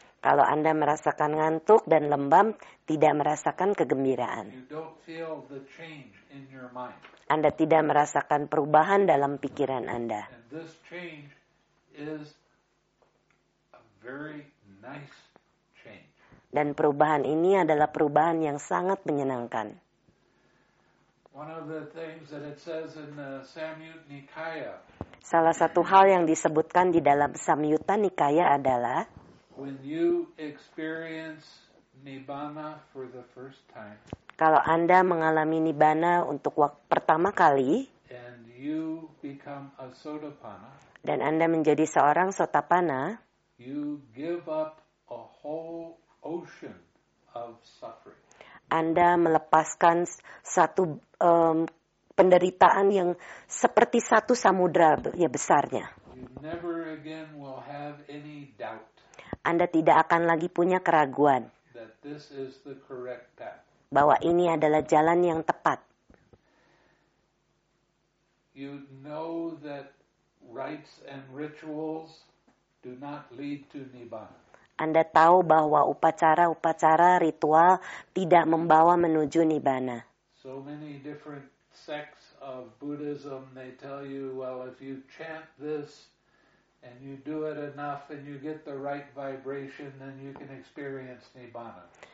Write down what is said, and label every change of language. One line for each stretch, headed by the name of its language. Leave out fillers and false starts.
Indonesian: Kalau Anda merasakan ngantuk dan lembam, tidak merasakan kegembiraan.
English: You don't feel the change in your mind.
Indonesian: Anda tidak merasakan perubahan dalam pikiran Anda.
English: And this change is a very nice change.
Indonesian: Dan perubahan ini adalah perubahan yang sangat menyenangkan.
English: One of the things that it says in the Samyutta Nikaya.
Indonesian: Salah satu hal yang disebutkan di dalam Samyutta Nikaya adalah
English: when you experience nibbana for the first time.
Indonesian: Kalau Anda mengalami nibbana untuk pertama kali,
English: and you become a sotapanna.
Indonesian: Dan Anda menjadi seorang sotapanna,
English: you give up a whole ocean of suffering.
Indonesian: Anda melepaskan satu penderitaan yang seperti satu samudra ya besarnya.
English: You never again will have any doubt.
Indonesian: Anda tidak akan lagi punya keraguan
English: that this is the correct path.
Indonesian: Bahwa ini adalah jalan yang tepat.
English: You know that rites and rituals do not lead to nibbana.
Indonesian: Anda tahu bahwa upacara-upacara ritual tidak membawa menuju nibbana.
English: So many different sects of Buddhism, they tell you, well, if you chant this and you do it enough and you get the right vibration, then you can experience nibbana.